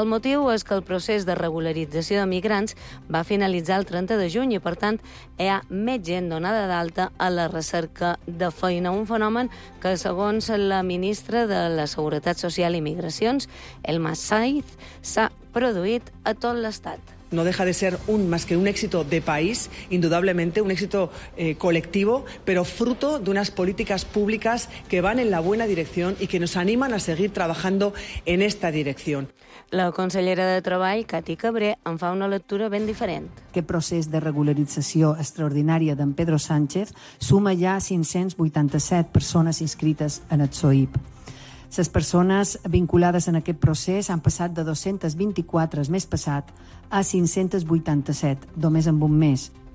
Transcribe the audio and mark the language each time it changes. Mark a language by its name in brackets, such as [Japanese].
[Catalan] El motiu és que el procés de regularització de migrants va finalitzar el 30 de juny i, per tant, hi ha més gent donada d'alta a la recerca de feina. Un fenomen que, segons la ministra de la Seguretat Social i Migracions, Elma Saiz, s'ha produït a tot l'Estat. [Spanish] No deja de ser un más que un éxito de país, indudablemente un éxito colectivo, pero fruto de unas políticas públicas que van en la buena dirección y que nos animan a seguir trabajando en esta dirección. [Catalan] La consellera de Treball, Cati Cabré, en fa una lectura ben diferent. Aquest procés de regularització extraordinària d'en Pedro Sánchez suma ja 587 persones inscrites en el SOIP. Les persones vinculades en aquest procés han passat de 224 el mes passat a 587, només en un mes.